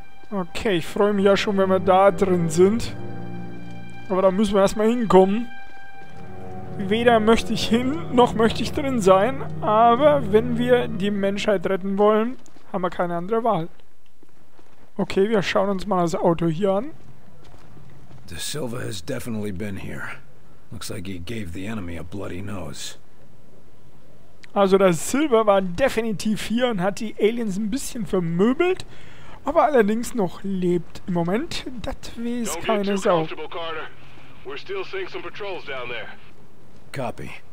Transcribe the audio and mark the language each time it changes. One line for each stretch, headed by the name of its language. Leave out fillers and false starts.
German: Okay, ich freue mich ja schon, wenn wir da drin sind. Aber da müssen wir erstmal hinkommen. Weder möchte ich hin, noch möchte ich drin sein. Aber wenn wir die Menschheit retten wollen, haben wir keine andere Wahl. Okay, wir schauen uns mal das Auto hier an.
English: De Silva has definitely been here. Looks like he gave the enemy a bloody nose.
German: Also der Silva war definitiv hier und hat die Aliens ein bisschen vermöbelt, aber allerdings noch lebt im Moment. Das weiß keine Sau.
English: We're still seeing some patrols down there. Copy.